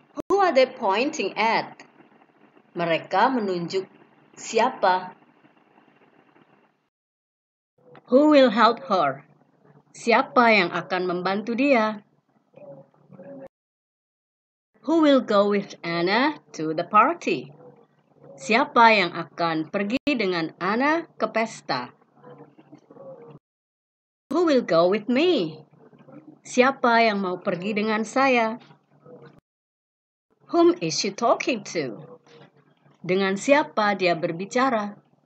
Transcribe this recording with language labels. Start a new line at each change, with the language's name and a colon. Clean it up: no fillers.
English: Who are they pointing at?
Indonesian: Mereka menunjuk siapa?
English: Who will help her?
Indonesian: Siapa yang akan membantu dia?
English: Who will go with Anna to the party?
Indonesian: Siapa yang akan pergi dengan Anna ke pesta?
English: Who will go with me?
Indonesian: Siapa yang mau pergi dengan saya?
English: Whom is she talking to?
Indonesian: Dengan siapa dia berbicara?